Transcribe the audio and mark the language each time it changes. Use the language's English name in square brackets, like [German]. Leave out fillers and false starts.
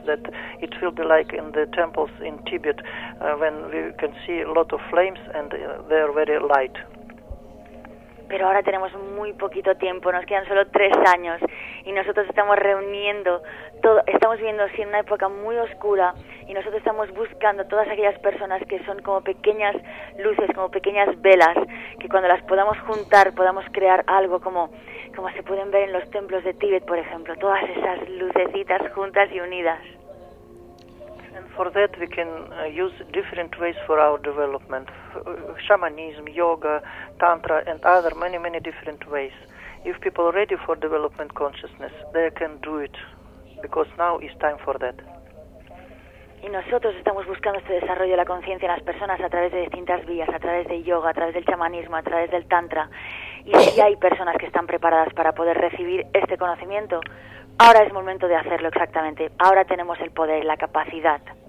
[English] That it will be like in the temples in Tibet, when we can see a lot of flames and they are very light. [Spanish] Pero ahora tenemos muy poquito tiempo, nos quedan solo 3 años, y nosotros estamos reuniendo todo, estamos viviendo en una época muy oscura, y nosotros estamos buscando todas aquellas personas que son como pequeñas luces, como pequeñas velas, que cuando las podamos juntar podamos crear algo como se pueden ver en los templos de Tíbet, por ejemplo, todas esas lucecitas juntas y unidas. [English] And for that we can use different ways for our development, shamanism, yoga, tantra, and other many, many different ways. If people are ready for development consciousness, they can do it, because now is time for that. [Spanish] Y nosotros estamos buscando este desarrollo de la conciencia en las personas a través de distintas vías, a través de yoga, a través del chamanismo, a través del tantra. Y si hay personas que están preparadas para poder recibir este conocimiento, ahora es momento de hacerlo exactamente. Ahora tenemos el poder, la capacidad.